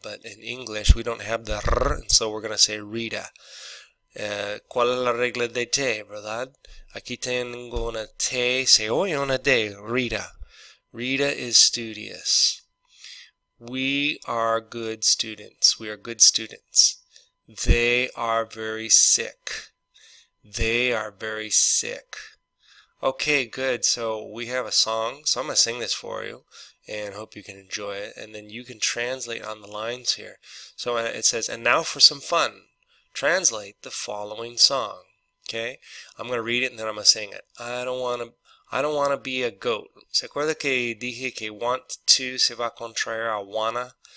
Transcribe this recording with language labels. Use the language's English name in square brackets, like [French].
[English] But in English we don't have the R, so we're going to say Rita. [Spanish] ¿Cuál es la regla de T, verdad? Aquí tengo una T, se oye una D, Rita. [English] Rita is studious. We are good students. We are good students. They are very sick. They are very sick. Okay, good. So we have a song. So I'm gonna sing this for you and hope you can enjoy it. And then you can translate on the lines here. So it says, and now for some fun, translate the following song. Okay? I'm gonna read it and then I'm gonna sing it. I don't wanna be a goat. [Spanish] ¿Se acuerda que dije que want to se va a contraer a wanna?